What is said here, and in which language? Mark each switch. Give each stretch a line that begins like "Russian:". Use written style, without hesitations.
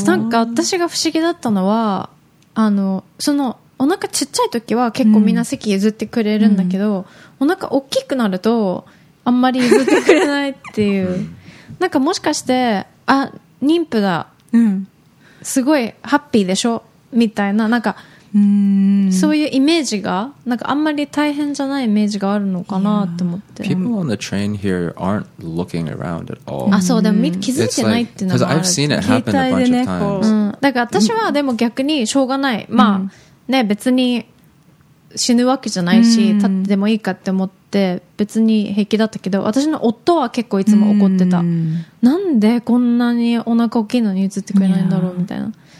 Japanese: なんか私が不思議だったのは、あのそのお腹ちっちゃい時は結構みんな席譲ってくれるんだけど、うんうん、お腹大きくなるとあんまり譲ってくれないっていうなんかもしかして、あ妊婦だ、うん、すごいハッピーでしょみたいな、なんかそういうイメージが、なんかあんまり大変じゃないイメージがあるのかなって思って。
English: People on the train here aren't looking around at all.
Japanese: あ、そう、でも気づいてないっていうのがある。
English: Because I've seen it happen a bunch of times.
Japanese: 携帯でね、こう。だから私はでも逆にしょうがない。まあ、ね、別に死ぬわけじゃないし、立ってもいいかって思って、別に平気だったけど、私の夫は結構いつも怒ってた。なんでこんなにお腹大きいのに映ってくれないんだろうみたいな。